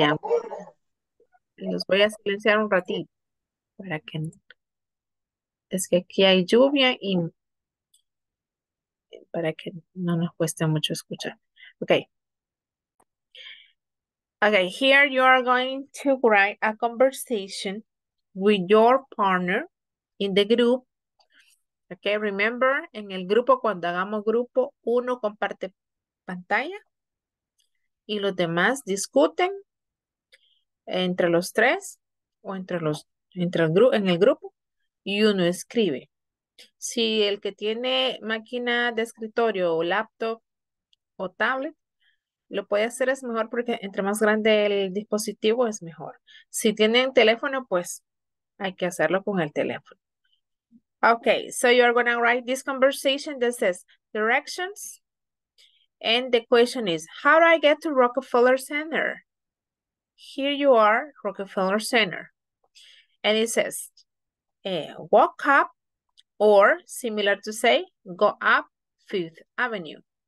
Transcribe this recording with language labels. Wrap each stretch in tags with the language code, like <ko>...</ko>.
<es>Los voy a silenciar un ratito para que es que aquí hay lluvia y para que no nos cueste mucho escuchar.</es> <en>Okay. Okay, here you are going to write a conversation with your partner in the group. Okay, remember,</en> <es>en el grupo, cuando hagamos grupo, uno comparte pantalla y los demás discuten entre los tres o entre el grupo y uno escribe. Si el que tiene máquina de escritorio o laptop o tablet, lo puede hacer, es mejor porque entre más grande el dispositivo es mejor. Si tienen teléfono, pues hay que hacerlo con el teléfono.</es> <en>Okay, so you are going to write this conversation that says directions. And the question is, how do I get to Rockefeller Center? Here you are, Rockefeller Center. And it says, walk up, or similar to say, go up Fifth Avenue.</en>